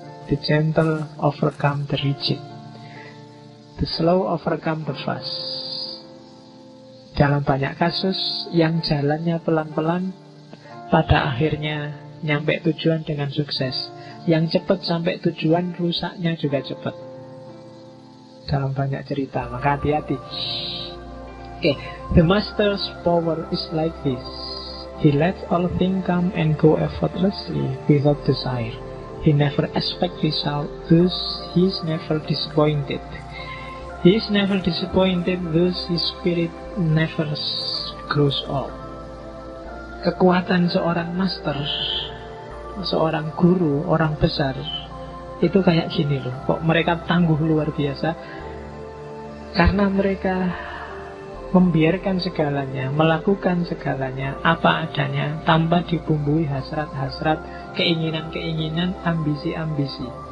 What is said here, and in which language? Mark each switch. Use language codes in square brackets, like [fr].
[en] The gentle overcome the rigid, the slow overcome the fast. [id] Dalam banyak kasus, yang jalannya pelan-pelan pada akhirnya nyampe tujuan dengan sukses. Yang cepat sampai tujuan, rusaknya juga cepat. Dalam banyak cerita, maka hati-hati. Okay. [en] The master's power is like this. He lets all things come and go effortlessly without desire. He never expects result, thus he is never disappointed. He is never disappointed, thus his spirit never grows old. [id] Kekuatan seorang master, seorang guru, orang besar itu kayak gini loh. Kok mereka tangguh luar biasa? Karena mereka membiarkan segalanya, melakukan segalanya apa adanya tanpa dibumbui hasrat-hasrat, keinginan-keinginan, ambisi-ambisi.